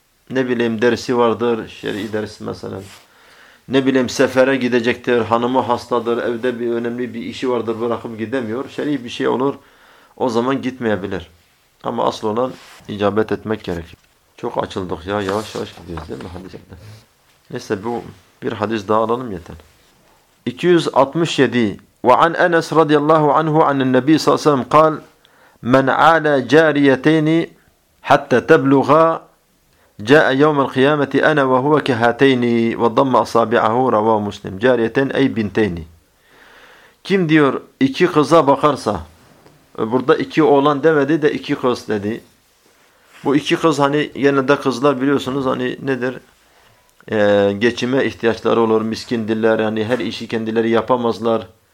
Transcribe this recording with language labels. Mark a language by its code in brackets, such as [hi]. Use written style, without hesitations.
[tr] Ne bileyim dersi vardır, şer'i dersi mesela. Ne bileyim sefere gidecektir, hanımı hastadır, evde bir önemli bir işi vardır, bırakıp gidemiyor. Şer'i bir şey olur, o zaman gitmeyebilir. Ama asıl olan icabet etmek gerekir. Çok açıldık ya, yavaş yavaş gidiyoruz değil mi hadisler? Neyse, bu bir hadis daha alalım yeter. 267. [ar] وعن أنس رضي الله عنه عن النبي صلى الله عليه وسلم قال من عالى جاريتين حتى تبلغا جاء يوم القيامة أنا وهو كهاتين وضم أصابعه رواه مسلم جاريتين أي بنتين. [tr] Kim diyor iki kıza bakarsa, burada iki oğlan demedi de iki kız dedi. Bu iki kız, hani genelde kızlar biliyorsunuz hani nedir? Geçime ihtiyaçları olur, miskindirler, yani her işi kendileri yapamazlar.